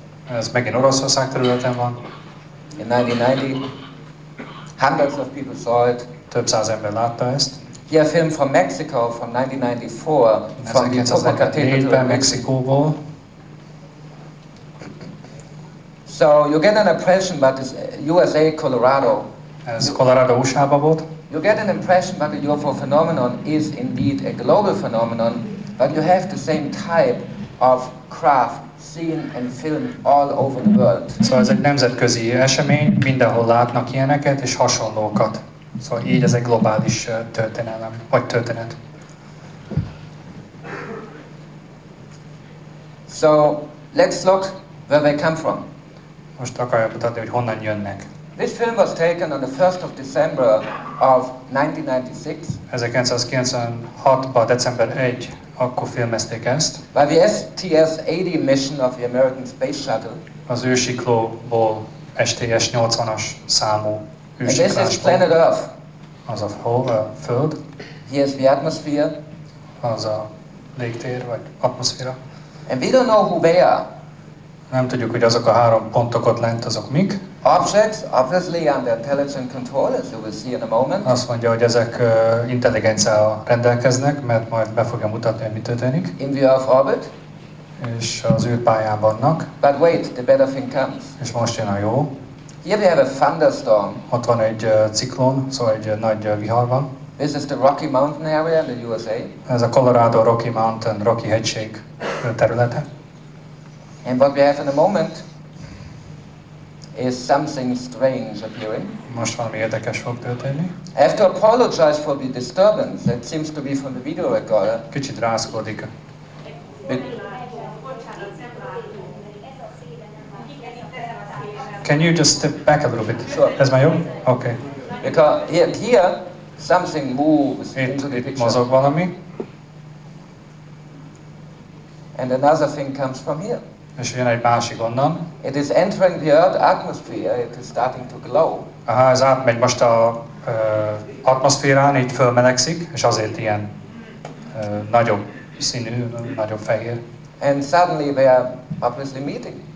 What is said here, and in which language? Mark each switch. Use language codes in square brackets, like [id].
[hu] Ez megint Oroszország területen van. [en] In 1990, hundreds of people saw it. [hu] Több száz ember látta ezt. [en] Here a film from Mexico from 1994. From the [hu] Ufómagazin, Mexikóból. [en] So you get an impression about this USA, Colorado. [hu] Ez Colorado USA-ba volt. [en] You get an impression that the UFO phenomenon is indeed a global phenomenon, but you have the same type of craft seen and filmed all over the world. [hu] So ez egy nemzetközi esemény, mindenhol látnak ilyeneket és hasonlókat. Szóval így ez egy globális történelem, vagy történet. [en] So let's look where they come from. [hu] Most akarja mutatni, hogy honnan jönnek. [en] This film was taken on the 1st of December of 1996. [hu] 1996-ban, december 1, akkor filmezték ezt. [en] By the STS-80 mission of the American Space Shuttle. [hu] Az űrsiklóból, STS-80-as számú űrsiklásból. [en] And this is planet Earth. [hu] Az a hol, a Föld. [en] Here's the atmosphere. [hu] Az a légtér, vagy atmoszféra. [en] And we don't know who they are. [hu] Nem tudjuk, hogy azok a három pontok ott lent, azok mik. [en] Objects, obviously under intelligent control, as you will see in a moment. [hu] Azt mondja, hogy ezek intelligenciával rendelkeznek, mert majd be fogja mutatni, hogy mi történik. [en] In the Earth orbit. [hu] És az űrpályán vannak. [en] But wait, the better thing comes. [hu] És most jön a jó. [en] Here we have a thunderstorm. [hu] Ott van egy ciklon, szóval egy nagy vihar van. [en] This is the Rocky Mountain area in the USA. [hu] Ez a Colorado Rocky Mountain, Rocky hegység területe. [en] And what we have in a moment is something strange appearing. [hu] Most valami érdekes fog történni. [en] I have to apologize for the disturbance that seems to be from the video recorder. [hu] Kicsit rászkodik. [en] Can you just step back a little bit? Sure. [hu] Ez már jó? Okay. [en] Because here something moves into the picture. [hu] Itt mozog valami. [en] And another thing comes from here. [hu] És jön egy másik onnan. [en] It is entering the Earth atmosphere, it is starting to glow. [hu] Aha, ez átmegy most a atmoszférán, így fölmelegszik, és azért ilyen nagyobb színű, nagyobb fehér. [en] And suddenly they are obviously meeting.